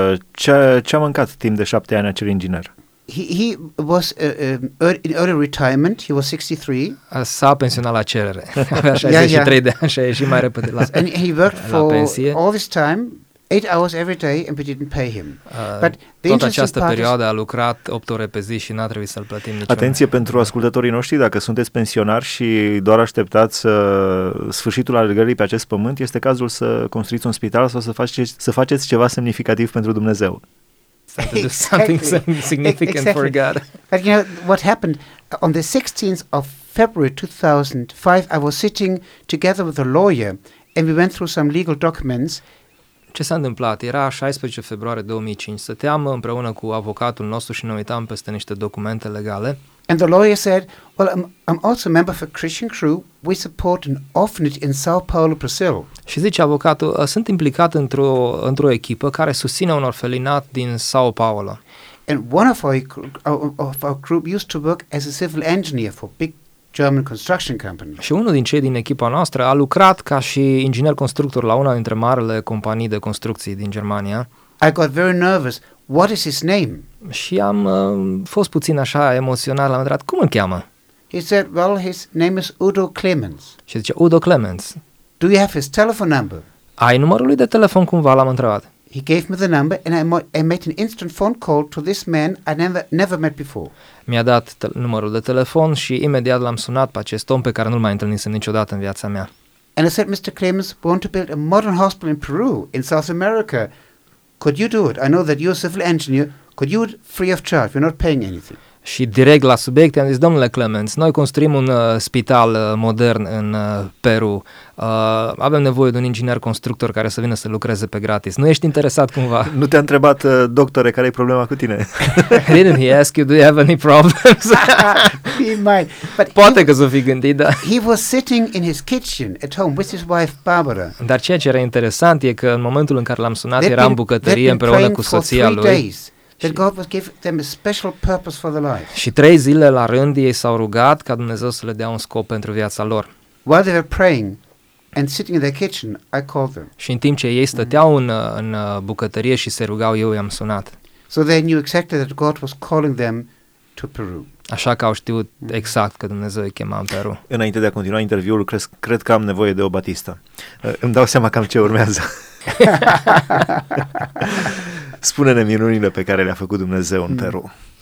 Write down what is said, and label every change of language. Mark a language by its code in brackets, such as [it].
[ro] Ce a mâncat timp de 7 ani acel inginer? [en] He was in early retirement. He was 63. [ro] S-a pensionat la cerere. Avea 63 de ani și a ieșit mai repede la pensie. [en] And he worked for all this time, 8 hours every day, and we didn't pay him. But the [ro] toată această perioadă a lucrat 8 ore pe zi și n-a trebuit să-l plătim niciodată. Atenție pentru ascultătorii noștri, dacă sunteți pensionari și doar așteptați sfârșitul alergării pe acest pământ, este cazul să construiți un spital sau să faceți ceva semnificativ pentru Dumnezeu. [en] Something significant for God. But you know what happened on the 16th of February 2005, I was sitting together with a lawyer and we went through some legal documents. [ro] Ce s-a întâmplat? Era 16 februarie 2005. Stăteam împreună cu avocatul nostru și ne uitam peste niște documente legale. [en] And the lawyer said, "Well, I'm also a member of a Christian crew. We support an orphanage in São Paulo, Brazil." [ro] Și zice avocatul, "Sunt implicat într-o echipă care susține un orfelinat din São Paulo." [en] And one of our group used to work as a civil engineer for big German construction company. [ro] Și unul din cei din echipa noastră a lucrat ca și inginer constructor la una dintre marile companii de construcții din Germania. [en] I got very nervous. What is his name? [ro] Și am fost puțin așa emoționat, l-am întrebat, cum îl cheamă? [en] He said, well, his name is Udo Clemens. [ro] Și zice, Udo Clemens. [en] Do you have his telephone number? [ro] Ai numărul lui de telefon cumva, l-am întrebat. [en] He gave me the number and I made an instant phone call to this man I never met before. [ro] Mi-a dat numărul de telefon și imediat l-am sunat pe acest om pe care nu-l mai întâlnisem niciodată în viața mea. [en] And I said, Mr. Clemens, we want to build a modern hospital in Peru, in South America. Could you do it? I know that you're a civil engineer. Could you free of charge? We're not paying anything. [ro] și direct la subiect, am zis, domnule Clemens, noi construim un spital modern în Peru, avem nevoie de un inginer constructor care să vină să lucreze pe gratis. Nu ești interesat cumva? Nu te-a întrebat, doctore, care e problema cu tine? [en] Didn't he ask you, do you have any problems? He might. But [ro] poate că s-o fi gândit, da. [en] He was sitting in his kitchen at home with his wife Barbara. [ro] Dar ceea ce era interesant e că în momentul în care l-am sunat, era în bucătărie împreună cu soția lui. [en] Days. That God would give them a special purpose for their life. [ro] Și trei zile la rând ei s-au rugat ca Dumnezeu să le dea un scop pentru viața lor. [en] While they were praying and sitting in their kitchen, I called them. [ro] Și în timp ce ei stăteau în bucătărie și se rugau, eu i-am sunat. [en] So they knew exactly that God was calling them to Peru. [ro] Așa că au știut exact că Dumnezeu îi chema în Peru. Înainte de a continua interviul, cred că am nevoie de o batistă. Îmi dau seama cam ce urmează. Spune-ne minunile pe care le-a făcut Dumnezeu în Peru.